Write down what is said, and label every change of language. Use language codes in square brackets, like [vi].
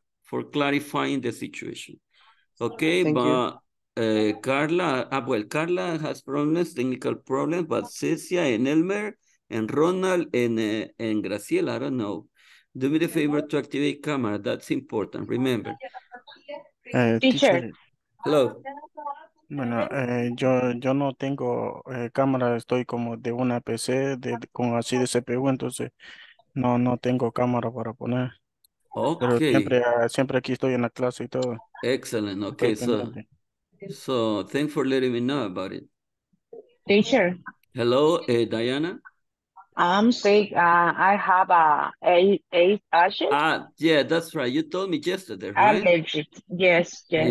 [en] for clarifying the situation. Okay, thank but Carla, well, Carla has problems, technical problems, but Cecia and Elmer and Ronald and Graciela, I don't know. Do me the favor to activate camera, that's important, remember. Teacher. Hello. [es] Bueno, yo no tengo cámara, estoy como de una PC con así de CPU, entonces no tengo cámara para poner. [en] Okay. [es] Pero siempre aquí estoy en la clase y todo. [en] Excellent. Okay, so thanks for letting me know about it. Teacher. Hello, Diana. I'm sick. I have a yeah, that's right. You told me yesterday, right? Allergic. Yes, yes.